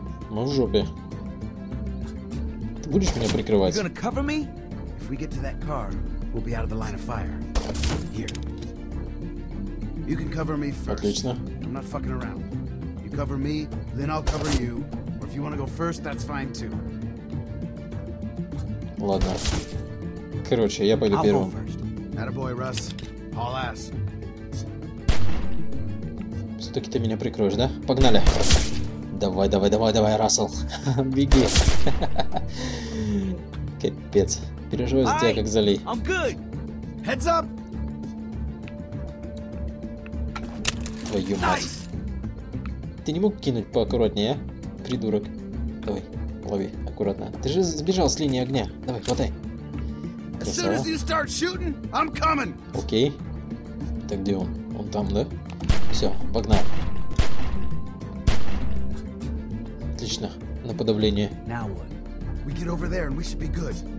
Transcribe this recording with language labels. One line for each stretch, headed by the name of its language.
Russian: Мы в жопе. Будешь меня прикрывать?
English: If we get to that car, we'll be out of the line of fire. Here. You can cover me first.
Russian: Отлично.
English: I'm not fucking around. You cover me, then I'll cover you. Or if you want to go first, that's fine too.
Russian: Ладно. Короче, я пойду первым.
English: Attaboy, Russ. All ass.
Russian: Все-таки ты меня прикроешь, да? Погнали. Давай, давай, давай, давай, Рассел. Беги. Капец. Переживаю за тебя, как за Ли.
English: I'm good. Heads up.
Russian: Твою мать. Ты не мог кинуть поаккуратнее, а? Придурок. Давай, лови аккуратно. Ты же сбежал с линии огня. Давай, хватай.
English: As soon as you start shooting, I'm coming.
Russian: Окей. Так где он? Он там, да? Все, погнали. Отлично. На подавление.
English: Now what? We get over there and we should be good.